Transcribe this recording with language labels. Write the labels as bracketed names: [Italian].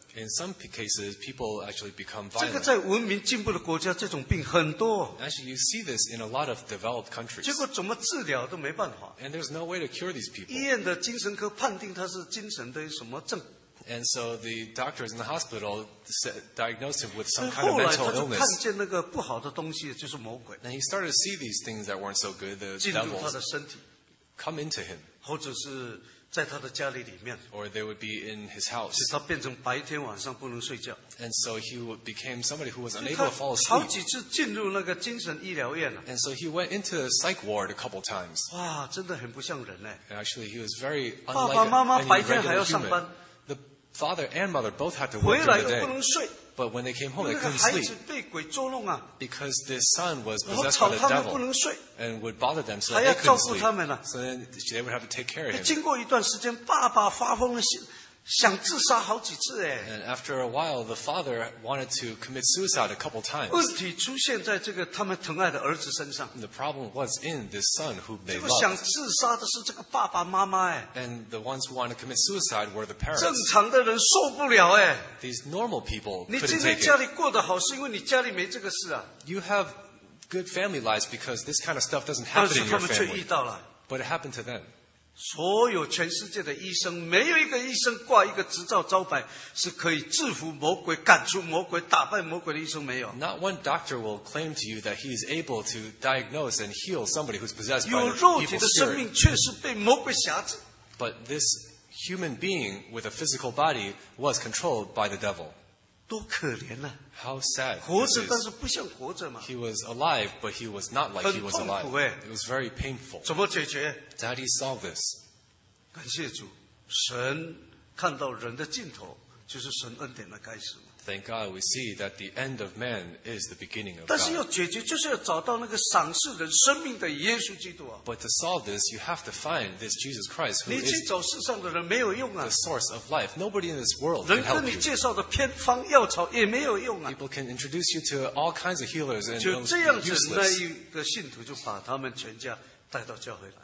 [English] In some cases, people actually become violent. [Chinese] 这个在文明进步的国家，这种病很多。 [English] Actually, you see this in a lot of developed countries. [Chinese] 结果怎么治疗都没办法。 [English] And there's no way to cure these people. [Chinese] 医院的精神科判定他是精神的什么症。 [English] And so the doctors in the hospital diagnosed him with some kind of mental illness. [Chinese] 后来他就看见那个不好的东西，就是魔鬼。 [English] And he started to see these things that weren't so good, the devils. [Chinese] 进入他的身体。 [English] Come into him. [Chinese] 或者是在他的家里里面 [English] or they would be in his house. [Chinese] 他变成白天晚上不能睡觉。 [English] And so he became somebody who was unable to fall asleep. [Chinese] 好几次进入那个精神医疗院了。 [English] And so he went into the psych ward a couple times. [Chinese] 哇，真的很不像人嘞。 [English] Actually, he was very unlike any regular human. [Chinese] 爸爸妈妈白天还要上班。 [English] The father and mother both had to work during the day. [Chinese] 回来又不能睡。 [English] But when they came home, they couldn't sleep. [Chinese] 那个孩子被鬼捉弄啊。 [English] Because this son was possessed by the devil. [Chinese] 吵他们不能睡。 [English] And would bother them so they couldn't sleep. [Chinese] 还要照顾他们了。 [English] So then they would have to take care of him. [Chinese] 经过一段时间，爸爸发疯了，想自杀好几次哎。 [English] And after a while, the father wanted to commit suicide a couple times. [Chinese] 问题出现在这个他们疼爱的儿子身上。 [English] The problem was in this son who they loved. [Chinese] 想自杀的是这个爸爸妈妈哎。 [English] And the ones who wanted to commit suicide were the parents. [Chinese] 正常的人受不了哎。 [English] These normal people couldn't take it. [Chinese] 你今天家里过得好，是因为你家里没这个事啊。 [English] You have good family lives because this kind of stuff doesn't happen in your family. But it happened to them. [Chinese] 所有全世界的医生，没有一个医生挂一个执照招牌，是可以制服魔鬼、赶出魔鬼、打败魔鬼的医生，没有。 [English] Not one doctor will claim to you that he is able to diagnose and heal somebody who's possessed by the evil spirit. [Chinese] 有肉体的生命却是被魔鬼辖制。 [English] But this human being with a physical body was controlled by the devil. [Chinese] 多可怜啊！ [English] How sad. [Chinese] 活着但是不像活着嘛。 [English] He was alive, but he was not like he was alive. [Chinese] 很痛苦欸。 [English] It was very painful. [Chinese] 怎么解决？ [English] Daddy saw this. [Chinese] 感谢主, 神看到人的尽头, 就是神恩典的开始嘛。 [English] Thank God, we see that the end of man is the beginning of God. [Chinese] 但是要解决, 就是要找到那个赏赐人生命的耶稣基督啊。 [English] But to solve this, you have to find this Jesus Christ, who [Chinese] 你去找世上的人没有用啊。 [English] Is the source of life. Nobody in this world can help you. [Chinese] 人跟你介绍的偏方药草也没有用啊。 [English] People can introduce you to all kinds of healers and [Chinese] 就这样子那一个信徒就把他们全家带到教会来。